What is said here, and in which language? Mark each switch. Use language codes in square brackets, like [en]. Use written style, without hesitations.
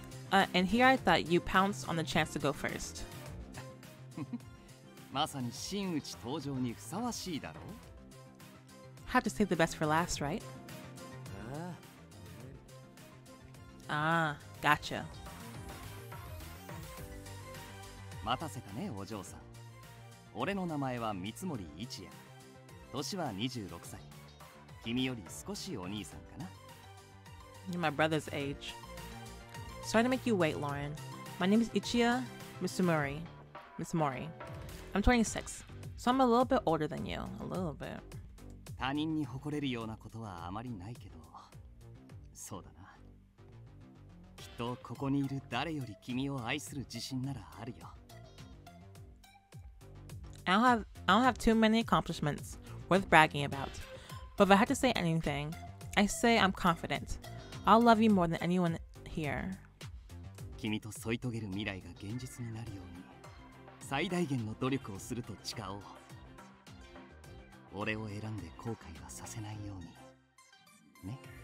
[en] And here I thought you pounced on the chance to go first. [ja] まさに真打ち登場にふさわしいだろう。 [en] Have to save the best for last, right? ああ、 gotcha. [ja] 待たせたね、お嬢さん。俺の名前は三森一也。年は26歳。君より少しお兄さんかな。 [en] You're my brother's age. Sorry to make you wait, Lauren. My name is Ichiya Mitsumori. I'm 26, so I'm a little bit older than you. A little bit. [ja] 他人に誇れるようなことはあまりないけど。そうだな。きっとここにいる誰より君を愛する自信ならあるよ。 [en] I don't have too many accomplishments worth bragging about, but if I had to say anything, I say I'm confident. I'll love you more than anyone here. [ja] 君と添い遂げる未来が現実になるように最大限の努力をすると誓おう。俺を選んで後悔はさせないようにね。